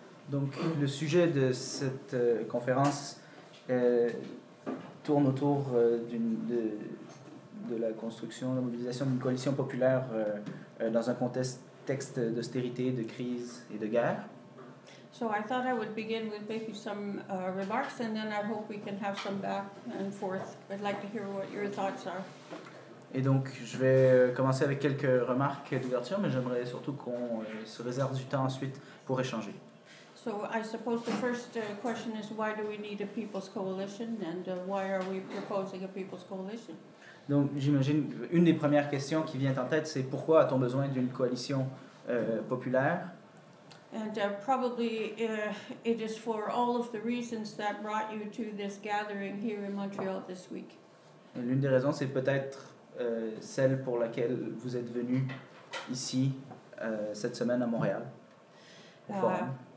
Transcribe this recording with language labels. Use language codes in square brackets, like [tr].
[fr] Donc le sujet de cette conférence tourne autour de la construction, la mobilisation d'une coalition populaire dans un contexte d'austérité, de crise et de guerre. [en] So I thought I would begin with making some remarks, and then I hope we can have some back and forth. I'd like to hear what your thoughts are. [fr] Et donc, je vais commencer avec quelques remarques d'ouverture, mais j'aimerais surtout qu'on se réserve du temps ensuite pour échanger. [en] So I suppose the first question is, why do we need a people's coalition, and why are we proposing a people's coalition? [fr] Donc, j'imagine une des premières questions qui vient en tête, c'est pourquoi a-t-on besoin d'une coalition populaire? [en] And probably it is for all of the reasons that brought you to this gathering here in Montreal this week. [fr] Et l'une des raisons, c'est peut-être celle pour laquelle vous êtes venu ici cette semaine à Montréal, au forum.